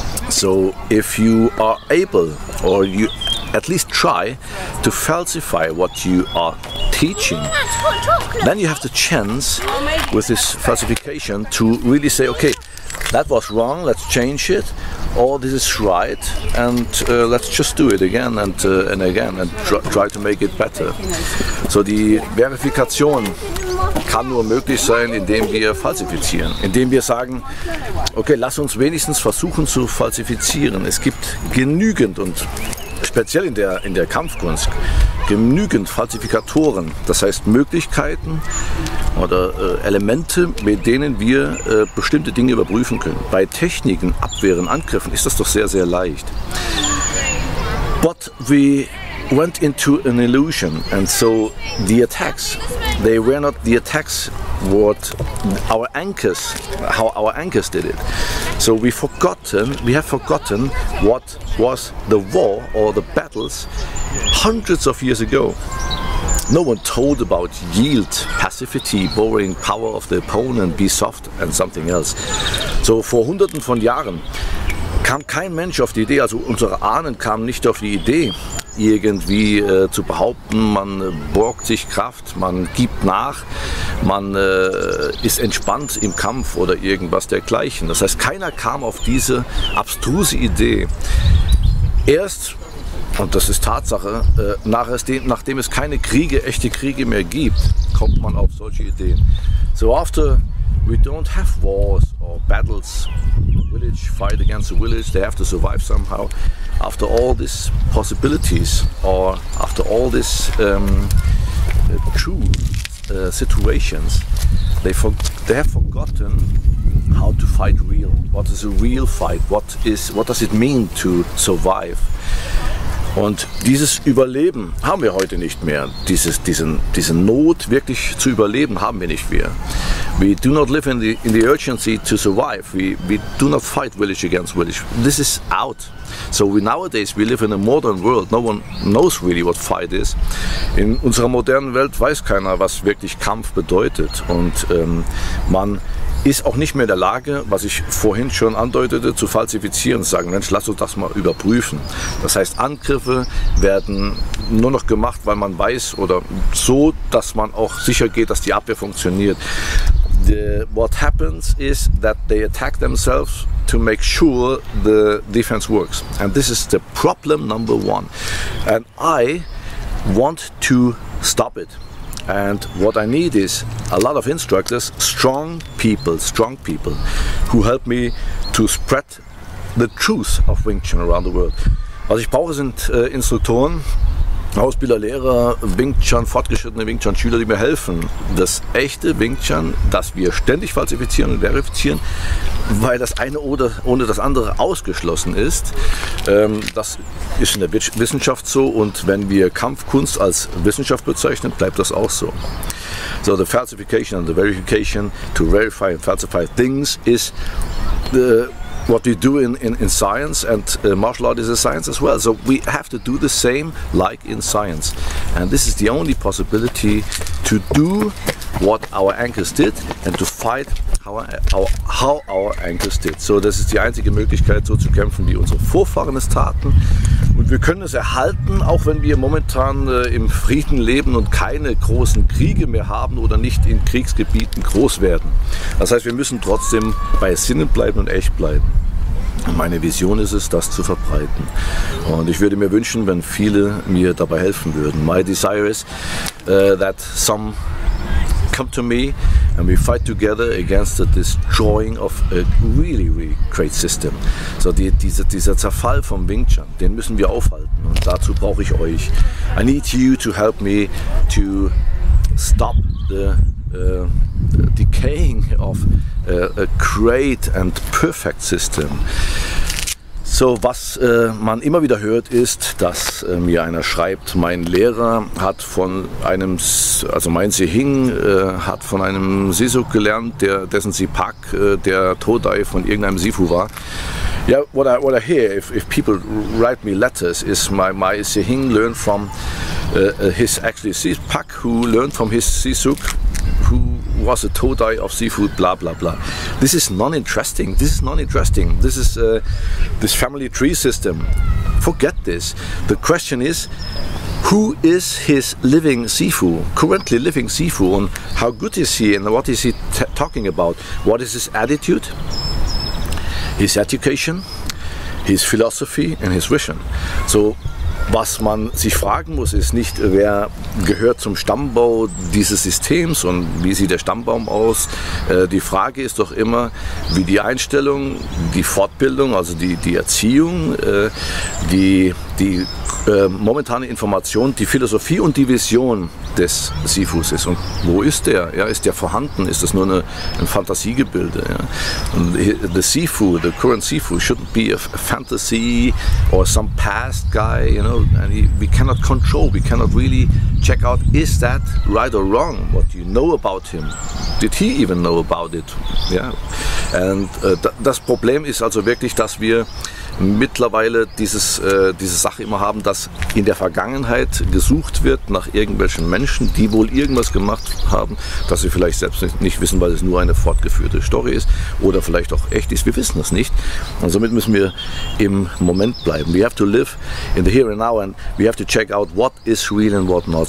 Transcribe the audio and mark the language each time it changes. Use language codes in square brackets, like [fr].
[en] So if you are able, or you at least try to falsify what you are teaching, then you have the chance with this falsification to really say, okay, that was wrong, let's change it, or this is right, and let's just do it again and again and try to make it better. [de] So die Verifikation kann nur möglich sein, indem wir falsifizieren, indem wir sagen, okay, lass uns wenigstens versuchen zu falsifizieren. Es gibt genügend, und speziell in der Kampfkunst, genügend Falsifikatoren, das heißt Möglichkeiten oder Elemente, mit denen wir bestimmte Dinge überprüfen können. Bei Techniken, Abwehren, Angriffen ist das doch sehr, sehr leicht. [en] But we went into an illusion, and so the attacks, they were not the attacks what our anchors did it. So we have forgotten what was the war or the battles hundreds of years ago. No one told about yield, passivity, borrowing power of the opponent, be soft and something else. [de] So vor hunderten von Jahren kam kein Mensch auf die Idee, also unsere Ahnen kamen nicht auf die Idee, irgendwie zu behaupten. Man borgt sich Kraft, man gibt nach, man ist entspannt im Kampf oder irgendwas dergleichen. Das heißt, keiner kam auf diese abstruse Idee. Erst, und das ist Tatsache, nachdem es keine Kriege, echte Kriege mehr gibt, kommt man auf solche Ideen. [en] So after we don't have wars or battles, village fight against the village, they have to survive somehow. After all these possibilities, or after all these cruel situations, they have forgotten how to fight real. What is a real fight? What does it mean to survive? [de] Und dieses Überleben haben wir heute nicht mehr. Diese Not wirklich zu überleben haben wir nicht mehr. [en] We do not live in the urgency to survive. We do not fight village against village. This is out. So nowadays we live in a modern world. No one knows really what fight is. [de] In unserer modernen Welt weiß keiner, was wirklich Kampf bedeutet. Und man ist auch nicht mehr in der Lage, was ich vorhin schon andeutete, zu falsifizieren, zu sagen, Mensch, lass uns das mal überprüfen. Das heißt, Angriffe werden nur noch gemacht, weil man weiß oder so, dass man auch sicher geht, dass die Abwehr funktioniert. [en] What happens is that they attack themselves to make sure the defense works. And this is the problem number one. And I want to stop it. And what I need is a lot of instructors, strong people, who help me to spread the truth of Wing Chun around the world. [de] Was ich brauche, sind Instruktoren, Ausbilder, Lehrer, Wing Chun, fortgeschrittene Wing Chun Schüler, die mir helfen, das echte Wing Chun, das wir ständig falsifizieren und verifizieren, weil das eine oder ohne das andere ausgeschlossen ist. Das ist in der Wissenschaft so, und wenn wir Kampfkunst als Wissenschaft bezeichnen, bleibt das auch so. [en] So the falsification and the verification to verify and falsify things is the what we do in science, and martial art is a science as well. So we have to do the same like in science. And this is the only possibility to do what our ancestors did and to fight how our ancestors did. [de] So das ist die einzige Möglichkeit, so zu kämpfen, wie unsere Vorfahren es taten. Und wir können es erhalten, auch wenn wir momentan im Frieden leben und keine großen Kriege mehr haben oder nicht in Kriegsgebieten groß werden. Das heißt, wir müssen trotzdem bei Sinnen bleiben und echt bleiben. Meine Vision ist es, das zu verbreiten. Und ich würde mir wünschen, wenn viele mir dabei helfen würden. [en] My desire is that some come to me and we fight together against the destroying of a really, really great system. [de] So dieser Zerfall vom Wing Chun, den müssen wir aufhalten. Und dazu brauche ich euch. [en] I need you to help me to stop the decaying of a great and perfect system. [de] So, was man immer wieder hört, ist, dass mir einer schreibt, mein Lehrer hat von einem, also mein Sihing hat von einem Sisu gelernt, dessen Sipak der Todai von irgendeinem Sifu war. [en] Ja, yeah, what I hear, if people write me letters, is my Sihing learned from his actually Sipak, who learned from his Sisuk, who was a Todai of Sifu, blah blah blah. This is non-interesting. This is this family tree system. Forget this. The question is, who is his living Sifu, currently living Sifu, and how good is he, and what is he talking about? What is his attitude, his education, his philosophy, and his vision? [de] So was man sich fragen muss, ist nicht, wer gehört zum Stammbau dieses Systems und wie sieht der Stammbaum aus. Die Frage ist doch immer, wie die Einstellung, die Fortbildung, also die Erziehung, die momentane Information, die Philosophie und die Vision des Sifus ist. Und wo ist der? Ja, ist der vorhanden? Ist das nur ein Fantasiegebilde? Ja? [en] And the Sifu, the current Sifu, shouldn't be a fantasy or some past guy, you know, and we cannot control, we cannot really check out, is that right or wrong? What you know about him? Did he even know about it? Yeah. And [de] das Problem ist also wirklich, dass wir mittlerweile diese Sache immer haben, dass in der Vergangenheit gesucht wird nach irgendwelchen Menschen, die wohl irgendwas gemacht haben, dass sie vielleicht selbst nicht wissen, weil es nur eine fortgeführte Story ist oder vielleicht auch echt ist. Wir wissen das nicht. Und somit müssen wir im Moment bleiben. [en] We have to live in the here and now and we have to check out what is real and what not.